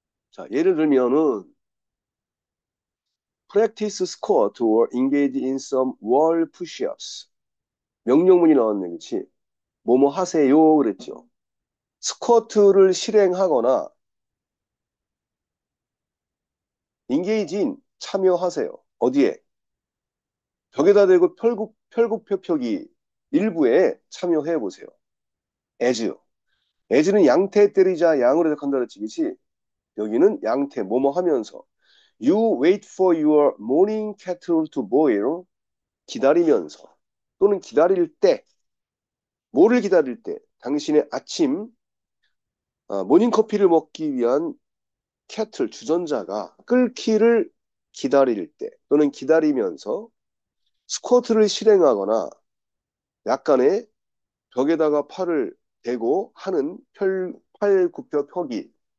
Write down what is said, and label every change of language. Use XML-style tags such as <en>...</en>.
<ko>자, 예를 들면은</ko> <en>practice squat or engage in some wall push-ups.</en> <ko>명령문이 나왔네, 그렇지? 뭐뭐 하세요, 그랬죠. 스쿼트를 실행하거나 engage in 참여하세요. 어디에? 벽에다 대고 펼굽혀펴기 일부에 참여해 보세요. As는 양태 때리자 양으로 해석한다 그랬지, 그치? 여기는 양태, 뭐뭐 하면서.</ko> <en>You wait for your morning kettle to boil.</en> <ko>기다리면서. 또는 기다릴 때. 뭐를 기다릴 때? 당신의 아침, 모닝 커피를 먹기 위한 kettle, 주전자가 끓기를 기다릴 때. 또는 기다리면서 스쿼트를 실행하거나 약간의 벽에다가 팔을 대고 하는 팔 굽혀 펴기.</ko>